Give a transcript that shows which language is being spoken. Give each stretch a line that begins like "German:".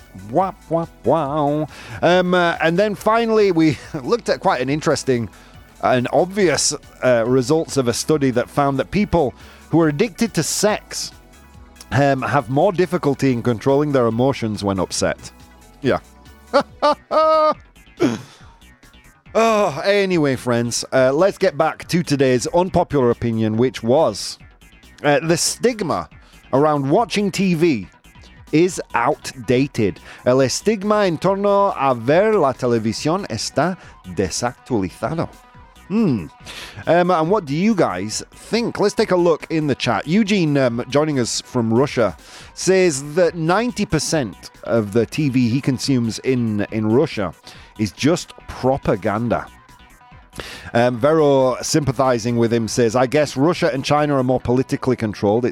English: Wap, wap, wow. And then finally, we looked at quite an interesting and obvious results of a study that found that people who are addicted to sex have more difficulty in controlling their emotions when upset. Yeah. Anyway, friends, let's get back to today's unpopular opinion, which was the stigma around watching TV is outdated.
Spanish: El estigma en torno a ver la televisión está desactualizado.
English: And what do you guys think? Let's take a look in the chat. Eugene, joining us from Russia, says that 90% of the TV he consumes in Russia is just propaganda. Vero, sympathizing with him, says, I guess Russia and China are more politically controlled.